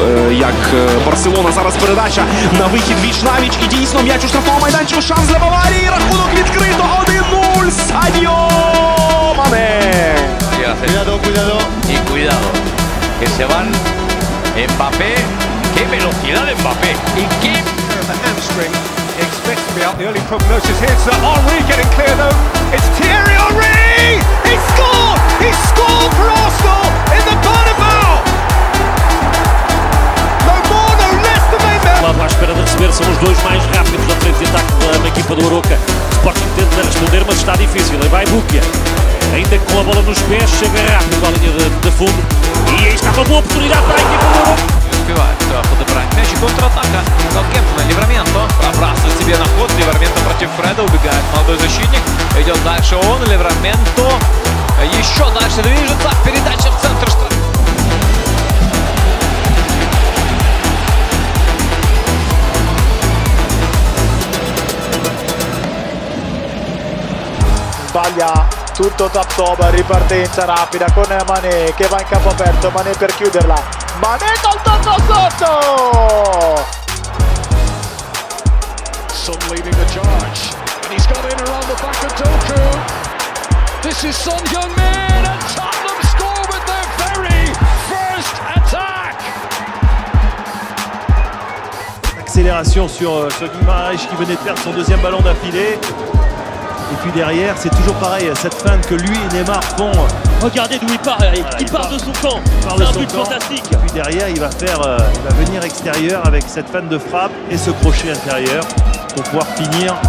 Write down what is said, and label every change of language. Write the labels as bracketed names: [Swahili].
[Ukrainian] Як Барселона зараз передача на вихід віч на віч і дійсно м'яч у штрафному майданчику шанс для Баварії рахунок відкрито 1-0 Садіо Мане [Spanish] Cuidado que se van Mbappé qué velocidad Mbappé y qué [English] hamstring expects to be out the early prognosis here's Henry getting clear though it's Thierry Henry he scored for Arsenal in the Bernabeu. [Portuguese] Malwa à espera de receber, são os dois mais rápidos da frente de ataque da equipa do Arouca. Sporting tenta responder, mas está difícil. E vai Búquia, ainda com a bola nos pés, chega rápido à linha de fundo. E aí está uma boa oportunidade para a equipa do Arouca. Troca de branco, mexe contra-ataca. Qualquer um, livramento. Abraça [Russian] себе на ход, livramento para Фреда, убегает молодой защитник. Идет дальше он, livramento. Еще дальше движется, передача. [Italian] tutto top top, ripartenza rapida con Mané che va in campo aperto, Mané per chiuderla, Mané col tocco sotto! [English] Son leading the charge, and he's got in around the back of Doku. This is Son Heung-min, and Tottenham score with their very first attack! [French] Accélération sur ce Guimarães qui venait de perdre son deuxième ballon d'affilée. Et puis derrière, c'est toujours pareil, cette fin que lui et Neymar font. Regardez d'où il part, il part de son camp, c'est un but fantastique. Et puis derrière, il va venir extérieur avec cette fin de frappe et ce crochet intérieur pour pouvoir finir.